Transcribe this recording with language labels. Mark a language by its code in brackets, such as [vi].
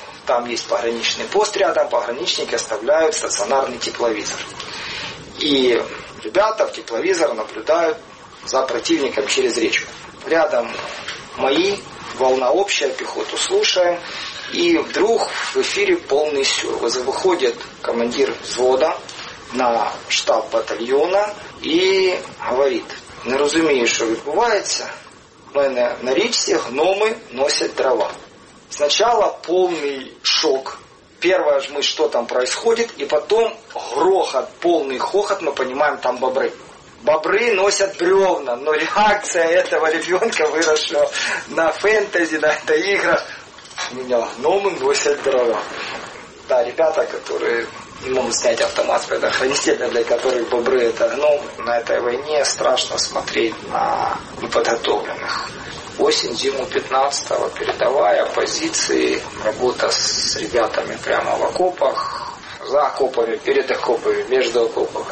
[ru] Там есть пограничный пост рядом, пограничники оставляют стационарный тепловизор. И ребята в тепловизор наблюдают за противником через речку. Рядом мои, волна общая, пехоту слушаем. И вдруг в эфире полный сюр. Выходит командир взвода на штаб батальйона [uk] і говорить: не розумію, що відбувається. У мене на річці гноми носять дрова. Спочатку повний шок. Перша ж мить, що там відбувається, і потім грохот, повний хохот, ми розуміємо, там бобри. Бобри носять бревна, но реакція цього ребенка виросла на фентезі, на іграх. У мене гноми носять дрова. [ru] Та, ребята, які не могут снять автомат, предохранитель, для которых бобры – это гномы. На этой войне страшно смотреть на неподготовленных. Осень, зиму 15-го, передовая позиции, работа с ребятами прямо в окопах, за окопами, перед окопами, между окопами.